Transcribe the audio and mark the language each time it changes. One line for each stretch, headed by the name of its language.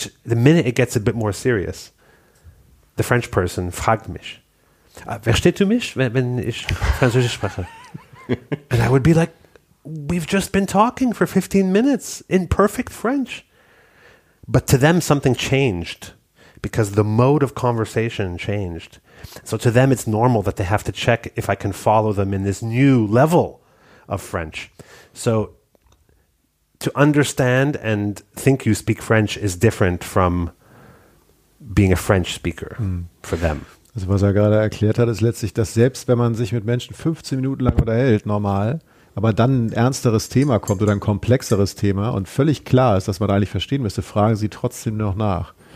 English: The minute it gets a bit more serious, the French person
German: fragt mich, verstehst du mich, wenn ich Französisch spreche?
English: And I would be like, we've just been talking for 15 minutes in perfect French. But to them, something changed because the mode of conversation changed. So to them, it's normal that they have to check if I can follow them in this new level of French. So to understand and think you speak French is different from being a French speaker for them.
German: Also was er gerade erklärt hat, ist letztlich, dass selbst wenn man sich mit Menschen 15 Minuten lang unterhält, normal, aber dann ein ernsteres Thema kommt oder ein komplexeres Thema und völlig klar ist, dass man da eigentlich verstehen müsste, fragen sie trotzdem noch nach.